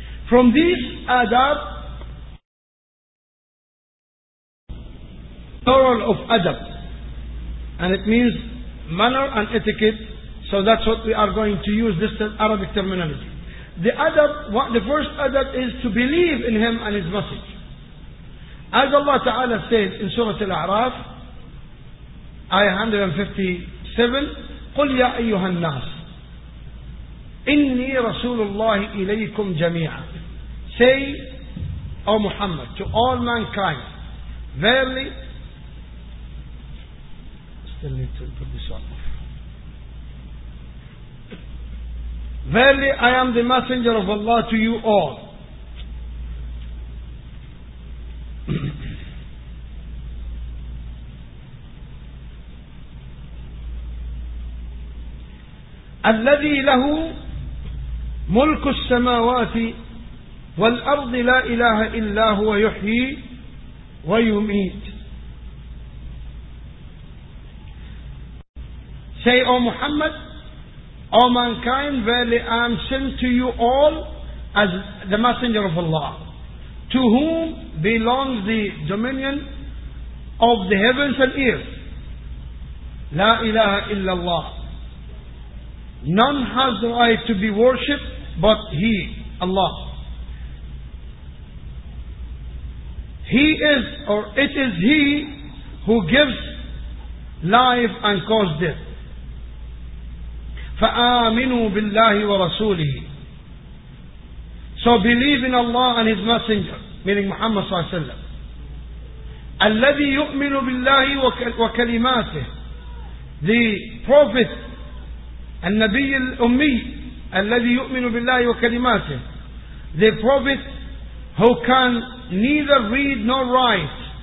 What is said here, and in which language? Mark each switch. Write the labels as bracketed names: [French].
[English] From these adab, plural of adab, and it means manner and etiquette. So that's what we are going to use, this Arabic terminology. The adab, the first adab is to believe in him and his message. As Allah Ta'ala says in Surah Al-A'raf, Ayah 157, [Arabic] قُلْ يَا أَيُّهَا النَّاسِ إِنِّي رَسُولُ اللَّهِ إِلَيْكُمْ جَمِيعًا. [English] Say, O Muhammad, to all mankind, verily, still need to put this one off. Verily, I am the messenger of Allah to you all. [Arabic] الذي له ملك السماوات والأرض لا إله إلا هو يحيي ويميت. [English] Say, O Muhammad, O mankind, verily I am sent to you all as the messenger of Allah, to whom belongs the dominion of the heavens and earth. [Arabic] لا إله إلا الله. [English] None has the right to be worshipped but He, Allah. It is He who gives life and causes death. [Arabic] فآمنوا بالله ورسوله. [English] So believe in Allah and His Messenger, meaning Muhammad صلى الله عليه وسلم. [Arabic] الذي يؤمن بالله وكلماته. [English] The Prophet, [Arabic] النبي الأمي الذي يؤمن بالله وكلماته. [English] The Prophet who can neither read nor write.